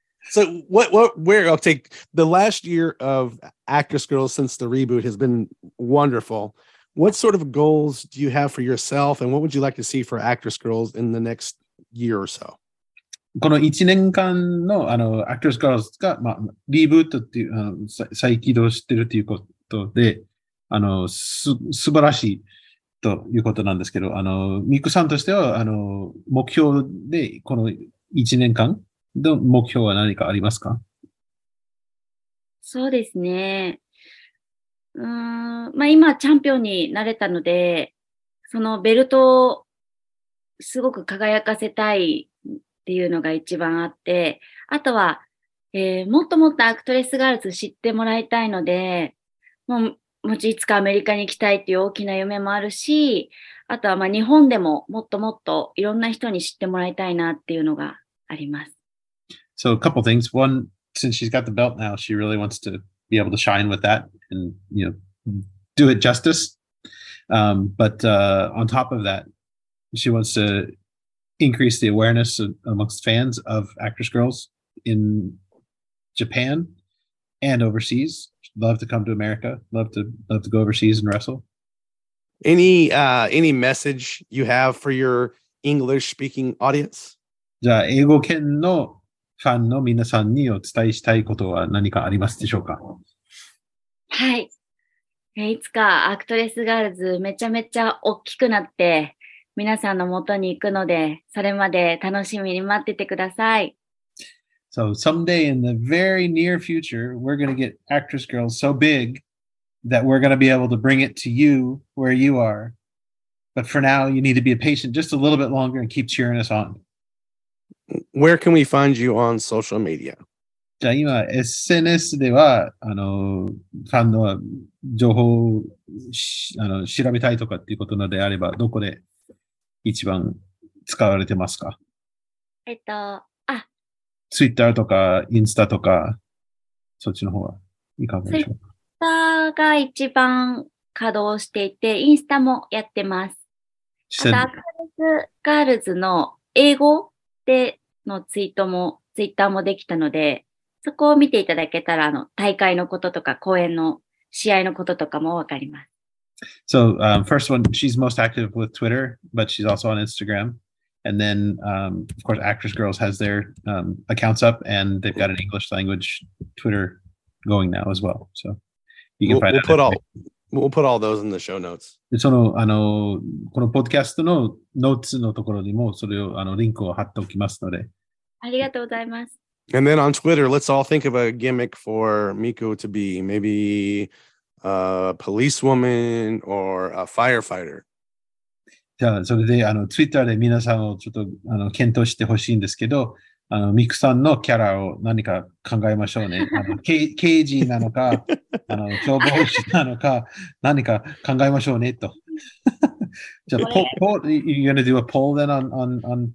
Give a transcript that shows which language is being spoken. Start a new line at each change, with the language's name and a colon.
English: So where I'll take the last year of Actwres Girls since the reboot has been wonderful. What sort of goals do you have for yourself and what would you like to see for Actwres Girls in the next year or so?
Japanese: この1年間の、あの、Actwres Girls が、まあ、リブートっていう、あの、再起動してるということで、あの、素晴らしいということなんですけど、あの、ミクさんとしては、あの、目標で、この1年間の目標は何かありますか？そうですね。まあ、今チャンピオンになれたので、そのベルトをすごく輝かせたいっていうのが一番あって、あとは、もっともっとアクトレスガールズ知ってもらいたいので、もちいつかアメリカに行きたいっていう大きな夢もあるし、あとはまあ日本でももっともっといろんな人に知ってもらいたいなっていうのがあります。
English: So a couple things. One, since she's got the belt now, she really wants to be able to shine with that. And you know, do it justice. On top of that, she wants to increase the awareness amongst fans of Actwres Girls in Japan and overseas. Love to come to America. Love to go overseas and wrestle. Any message you have for your English speaking audience?
Japanese: じゃあ英語圏のファンの皆さんにお伝えしたいことは何かありますでしょうか？はい。いつかアクトレスガールズめちゃめちゃ大きくなって、皆さんの元に行くので、それまで楽しみに待っててください。
English: So someday in the very near future, we're going to get Actwres Girls so big that we're going to be able to bring it to you where you are. But for now, you need to be a patient just a little bit longer and keep cheering us on. Where can we find you on social media?
Japanese: じゃあ今 SNS ではファンの情報を調べたいとかっていうことなのであれば、どこで一番使われてますか？ Twitter とかインスタとか、そっちの方はいかがでしょうか？ Twitter が一番稼働していて、インスタもやってます。あと、Actwres Girls の英語でのツイートも、Twitter もできたので、そこを見ていただけたら、大会のこととか、公演の試合のこととかもわかります。
English: So, first one, she's most active with Twitter, but she's also on Instagram. And then, of course, Actwres Girls has their accounts up, and they've got an English language Twitter going now as well. So, you can find out. We'll put all those in the show notes.
Japanese: このポッドキャストのノーツのところにも、それをリンクを貼っておきますので。ありがとうございます。
English: And then on Twitter, let's all think of a gimmick for Miku to be. Maybe a policewoman or a firefighter. Yeah, so they
Japanese: Twitter で皆さんをちょっと検討してほしいんですけど、Miku さんのキャラを何か考えましょうね。刑事なのか、消防士なのか、何か考えましょうねと。
English: So, Paul, you're going to do a poll then on